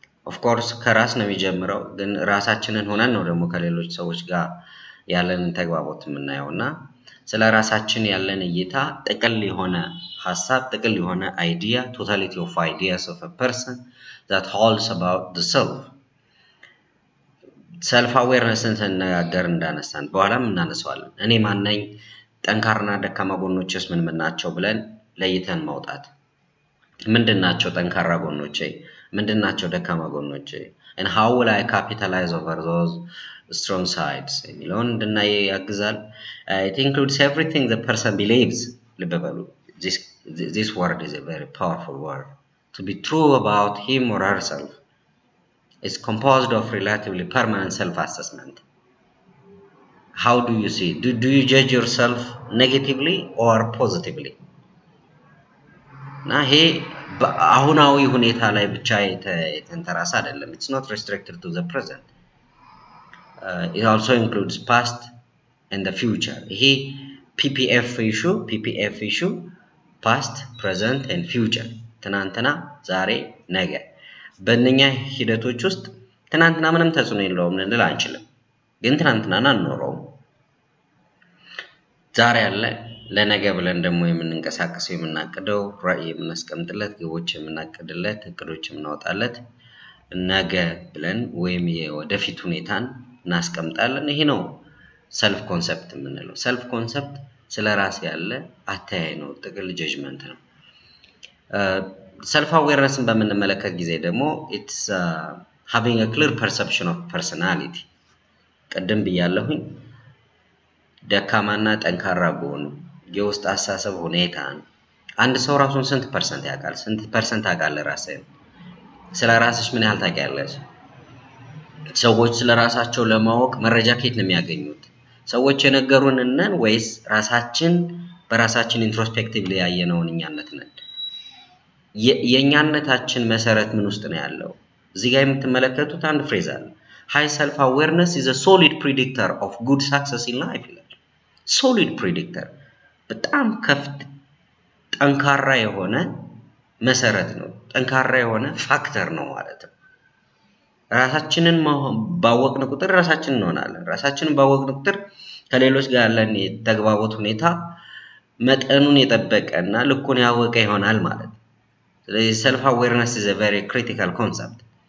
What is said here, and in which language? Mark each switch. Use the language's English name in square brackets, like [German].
[Amharic] of course ከራስ ነው የሚጀምረው፣ ግን ራሳችንን ሆነን ነው ደግሞ ከሌሎች ሰዎች ጋር ያለን ተግባቦት የምናየውና ስለ ራሳችን ያለን እይታ ጥቅል የሆነ ሐሳብ ጥቅል የሆነ አይዲያ [English] totality of ideas of a person that holds about the self. [Amharic] self awareness እንደነገር እንዳነሳን በኋላም እናነሳዋለን። እኔ ማን ነኝ? ጠንካራና ደካማ ጎኖቼስ ምን ምን ናቸው ብለን ለይተን ማውጣት። ምንድናቸው ጠንካራ ጎኖቼ? ምንድናቸው ደካማ ጎኖቼ? [English] and how will I capitalize over those strong sides [Amharic] የሚለውን እንድናይ ያግዛል። [English] it includes everything the person believes. ልበበሉ this word is a very powerful word to be true about him or herself. it's composed of relatively permanent self assessment. how do you see? do you judge yourself negatively or positively? [Amharic] ና ሄ አሁናዊ ሁኔታ ላይ ብቻ የተንተራሰ አይደለም። [English] it's not restricted to the present. It also includes past and the future. He PPF issue, past, present and future. [Amharic] ትናንትና፣ ዛሬ፣ ነገ በእነኛ ሂደቶች ውስጥ ትናንትና ምንም ተጽዕኖ የለውም ልንል አንችልም። ግን ትናንትና አንኖረውም። ዛሬ አለ፣ ለነገ ብለን ደግሞ የምንንቀሳቀሰው የምናቅደው ራዕይ የምናስቀምጥለት ግቦች የምናቅድለት እቅዶች የምናወጣለት ነገ ብለን ወይም የወደፊት ሁኔታን እናስቀምጣለን። ይሄ ነው ሰልፍ ኮንሰፕት የምንለው። ሰልፍ ኮንሰፕት ስለ ራስ ያለ አተያይ ነው፣ ጥቅል ጀጅመንት ነው። ሰልፍ አዌርነስን በምንመለከት ጊዜ ደግሞ ኢትስ [English] having a clear perception of personality. [Amharic] ቀደም ብያለሁኝ ደካማና ጠንካራ ጎን የውስጥ አሳሰብ ሁኔታን አንድ ሰው ራሱን ስንት ፐርሰንት ያቃል? ስንት ፐርሰንት አቃለ ራስህ? ስለ ራስሽ ምን ያህል ታቃለሽ? ሰዎች ስለ ራሳቸው ለማወቅ መረጃ ከየት ነው የሚያገኙት? ሰዎች የነገሩን እነን ወይስ ራሳችን በራሳችን ኢንትሮስፔክቲቭሊ ያየነውን እኛነት ነን? የኛነታችን መሰረት ምን ውስጥ ነው ያለው? እዚህ ጋር የምትመለከቱት አንድ ፍሬዝ አለ። [English] High self-awareness is a solid predictor of good success in life. Solid predictor. [Amharic] በጣም ከፍት ጠንካራ የሆነ መሰረት ነው። ጠንካራ የሆነ ፋክተር ነው ማለት ነው። ራሳችንን ባወቅን ቁጥር ራሳችን እንሆናለን። ራሳችንን ባወቅን ቁጥር ከሌሎች ጋር ያለን የተግባቦት ሁኔታ መጠኑን የተበቀና ልኩን ያወቀ ይሆናል ማለት ነው። ስለዚህ [English] self awareness is a very critical concept.